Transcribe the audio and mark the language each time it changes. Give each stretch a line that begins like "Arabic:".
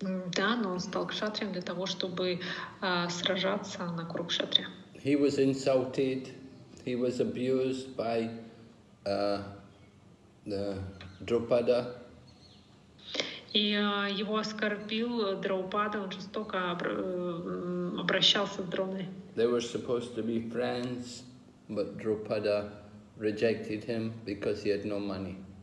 Russian: Да, но он стал кшатрием для того, чтобы сражаться на Курукшетре.
English: He was insulted, he was abused by the Draupada.
Russian: И его оскорбил Драупада, он жестоко обращался с Дроной.
English: They were supposed to be friends, but Драупада rejected him because he had no money.